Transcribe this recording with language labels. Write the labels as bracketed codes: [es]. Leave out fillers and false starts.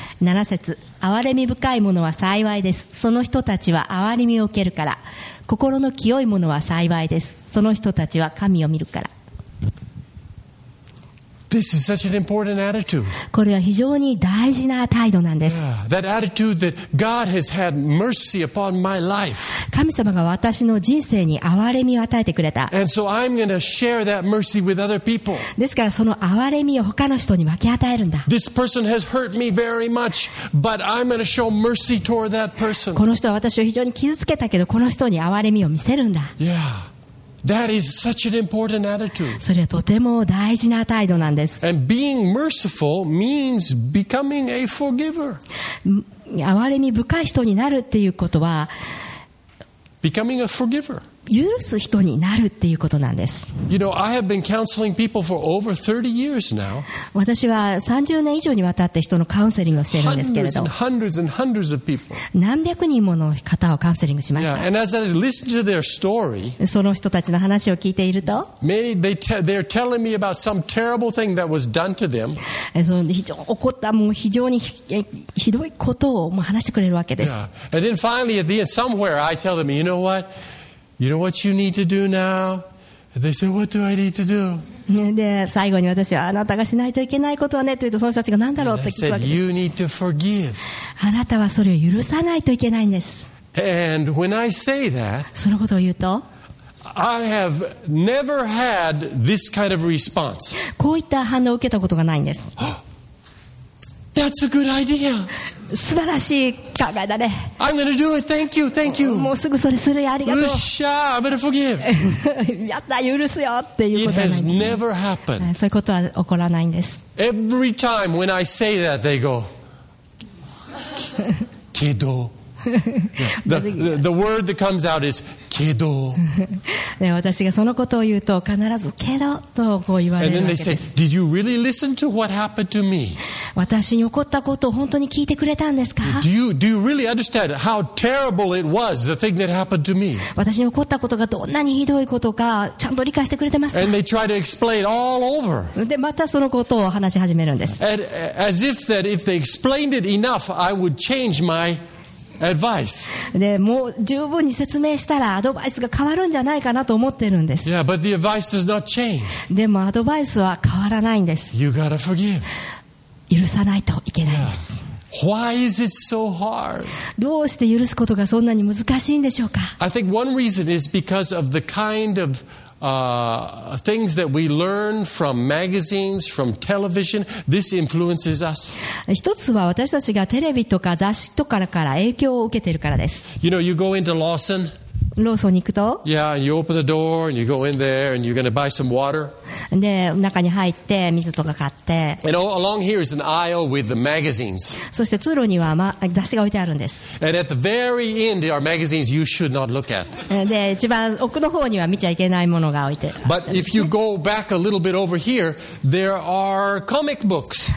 [ja] 7節、憐れみ深いものは幸いです。その人たちは憐れみを受けるから。心の清いものは幸いです。その人たちは神を見るから。 [en] This is such an important attitude. [ja] これは非常に大事な態度なんです。 [en] yeah, That attitude that God has had mercy upon my life. [ja] 神様が私の人生に憐れみを与えてくれた。 [en] And so I'm going to share that mercy with other people. [ja] ですからその憐れみを他の人に分け与えるんだ。 [en] This person has hurt me very much, but I'm going to show mercy toward that person. [ja] この人は私を非常に傷つけたけど、この人に憐れみを見せるんだ。 [en] Yeah. That is such an important attitude. [ja] それはとても大事な態度なんです。 [en] And being merciful means becoming a forgiver. [ja] 憐れみ深い人になるっていうことは、 [en] becoming a forgiver. [ja] 許す人になるっていうことなんです。 [en] You know, I have been counseling people for over 30 years now. [ja] 私は30年以上にわたって人のカウンセリングをしているんですけれど、 [en] hundreds and hundreds and hundreds of people. [ja] 何百人もの方をカウンセリングしました。 [en] Yeah, and as I was listening to their story, [ja] その人たちの話を聞いていると、 [en] many they're telling me about some terrible thing that was done to them. [ja] その非常に起こったもう非常にひどいことをもう話してくれるわけです。 [en] Yeah. And then finally at the end, somewhere I tell them, you know what? You know what you need to do now? And they say, what do I need to do? [ja] で最後に私はあなたがしないといけないことはねと言うとその人たちが何だろうって聞くわけです。 [en] said, you need to forgive. [ja] あなたはそれを許さないといけないんです。 [en] And when I say that, [ja] そのことを言うと [en] I have never had this kind of response. [ja] こういった反応を受けたことがないんです。 [en] That's a good idea. [ja] 素晴らしい考えだね。 [en] I'm going to do it. Thank you. Thank you. [ja] もうすぐそれするよ。ありがとう。よっしゃ。 [en] I'm going to forgive. [ja] やった。許すよっていうことはないんです。 [en] It has never happened. [ja] そういうことは起こらないんです。 [en] Every time when I say that, they go, [ja] けど。 [en] The word that comes out is [ja] けど。で私がそのことを言うと必ずけどとこう言われるわけです。 [en] Really、listen to what happened to me? [ja] 私に起こったことを本当に聞いてくれたんですか？ [en] Do you really understand how terrible it was, the thing that happened to me? [ja] 私に起こったことがどんなにひどいことかちゃんと理解してくれてますか？ [en] And they try to explain all over. [ja] でまたそのことを話し始めるんです。 [en] And, as if that if they explained it enough, I would change myadvice. [ja] でもう十分に説明したらアドバイスが変わるんじゃないかなと思ってるんです。 [en] Yeah, but the advice does not change. [ja] でもアドバイスは変わらないんです。 [en] You gotta forgive. [ja] 許さないといけないんです。 [en] Yeah. Why is it so hard? [ja] どうして許すことがそんなに難しいんでしょうか? [en] I think one reason is because of the kind ofthings that we learn from magazines, from television, this influences us. [ja] 一つは私たちがテレビとか雑誌とかから影響を受けているからです。 [en] You know, you go into Lawson. [ja] ローソンに行くと。 [en] Yeah, and you open the door and you go in there and you're going to buy some water. [ja] で、中に入って水とか買って。 [en] And along here is an aisle with the magazines. [ja] そして通路には、ま、雑誌が置いてあるんです。 [en] And at the very end are magazines you should not look at. [ja] で、一番奥の方には見ちゃいけないものが置いてある、ね。 [en] But if you go back a little bit over here, there are comic books.